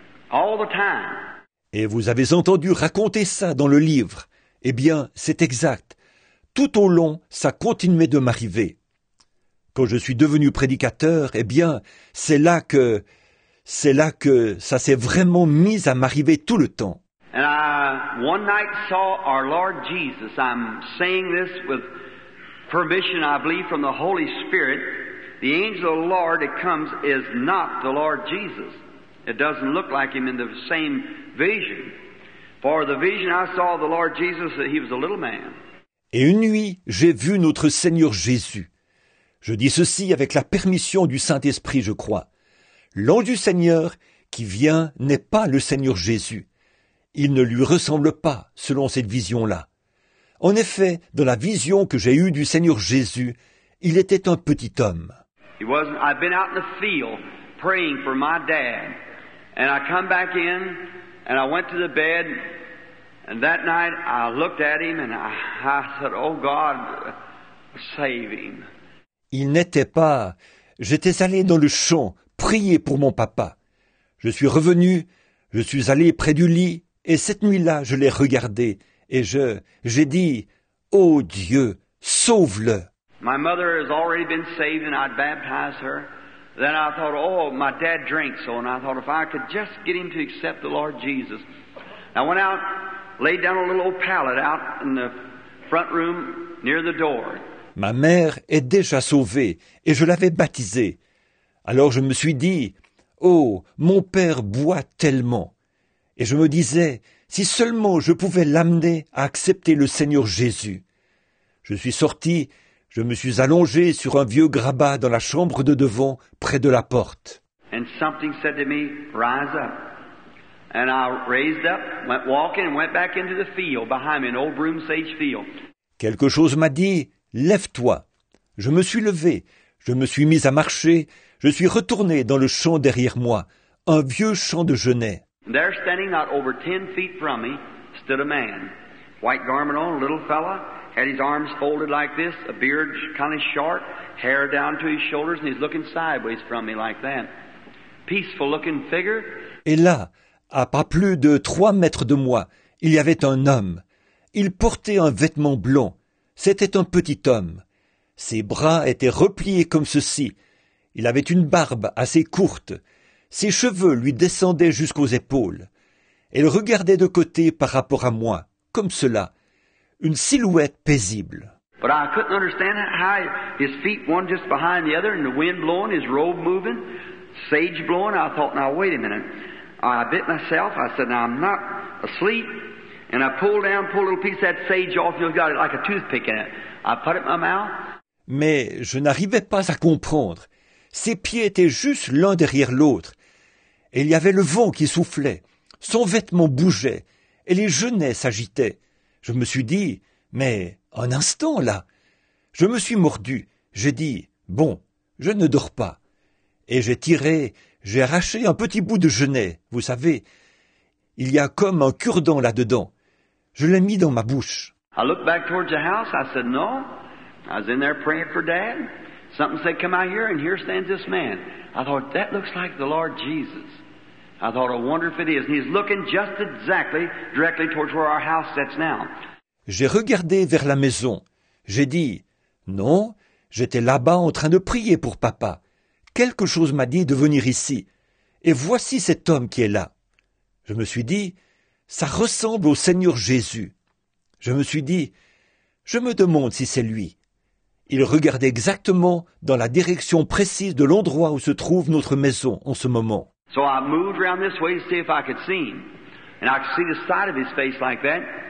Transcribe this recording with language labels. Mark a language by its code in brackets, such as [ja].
[en] All the time. [fr] Et vous avez entendu raconter ça dans le livre. Eh bien, c'est exact. Tout au long, ça continuait de m'arriver. Quand je suis devenu prédicateur, eh bien, c'est là que ça s'est vraiment mis à m'arriver tout le temps. [en] And I one night saw our Lord Jesus. I'm saying this with permission, I believe, from the Holy Spirit. The angel of the Lord that comes is not the Lord Jesus. It doesn't look like him in the same vision. For the vision I saw of the Lord Jesus, that he was a little man. [fr] Et une nuit, j'ai vu notre Seigneur Jésus. Je dis ceci avec la permission du Saint-Esprit, je crois. L'ange du Seigneur qui vient n'est pas le Seigneur Jésus. Il ne lui ressemble pas selon cette vision-là. En effet, dans la vision que j'ai eue du Seigneur Jésus, il était un petit homme. [en] I've been out in the field praying for my dad. And I come back in and I went to the bed. And that night I looked at him and I said, oh God, saving. [fr] Il n'était pas. J'étais allé dans le champ prier pour mon papa. Je suis revenu, je suis allé près du lit, et cette nuit-là, je l'ai regardé, et j'ai dit, « Oh Dieu, sauve-le !» [en] My mother has already been saved, and I'd baptize her. Then I thought, oh, my dad drinks, so, and I thought, if I could just get him to accept the Lord Jesus. I went out, laid down a little old pallet out in the front room near the door. [fr] Ma mère est déjà sauvée, et je l'avais baptisée. Alors je me suis dit, oh, mon père boit tellement. Et je me disais, si seulement je pouvais l'amener à accepter le Seigneur Jésus. Je suis sorti, je me suis allongé sur un vieux grabat dans la chambre de devant, près de la porte. [en] And something said to me, rise up. And I raised up, went walking, and went back into the field, behind me, an old broom sage field. [fr] Quelque chose m'a dit, lève-toi. Je me suis levé, je me suis mis à marcher, je suis retourné dans le champ derrière moi, un vieux champ de genêt. [en] There, standing not over 10 feet from me, stood a man. White garment on, little fella, had his arms folded like this, a beard kind of short, hair down to his shoulders, and he's looking sideways from me like that. Peaceful looking figure. [fr] Et là, à pas plus de 3 mètres de moi, il y avait un homme. Il portait un vêtement blanc. C'était un petit homme. Ses bras étaient repliés comme ceci. Il avait une barbe assez courte. Ses cheveux lui descendaient jusqu'aux épaules. Il regardait de côté par rapport à moi, comme cela. Une silhouette paisible. [en] But I couldn't understand how his feet one just behind the other and the wind blowing, his robe moving, sage blowing. I thought, now wait a minute. I bit myself. I said, now I'm not asleep. And I pulled down, pulled a little piece of that sage off. You've got it like a toothpick in it. I put it in my mouth. [fr] Mais je n'arrivais pas à comprendre. Ses pieds étaient juste l'un derrière l'autre. Et il y avait le vent qui soufflait. Son vêtement bougeait. Et les genêts s'agitaient. Je me suis dit, mais un instant là. Je me suis mordu. J'ai dit, bon, je ne dors pas. Et j'ai tiré, j'ai arraché un petit bout de genêt. Vous savez, il y a comme un cure-dent là-dedans. Je l'ai mis dans ma bouche. [en] I looked back towards the house. I said, no. I was in there praying for Dad. Something said, come out here, and here stands this man. I thought, that looks like the Lord Jesus. I thought, I wonder if it is. And he's looking just exactly, directly towards where our house sits now. [fr] J'ai regardé vers la maison. J'ai dit, non, j'étais là-bas en train de prier pour papa. Quelque chose m'a dit de venir ici. Et voici cet homme qui est là. Je me suis dit, ça ressemble au Seigneur Jésus. Je me suis dit, je me demande si c'est lui. Il regardait exactement dans la direction précise de l'endroit où se trouve notre maison en ce moment. [en] So I moved around this way to see if I could see him. And I could see the side of his face like that.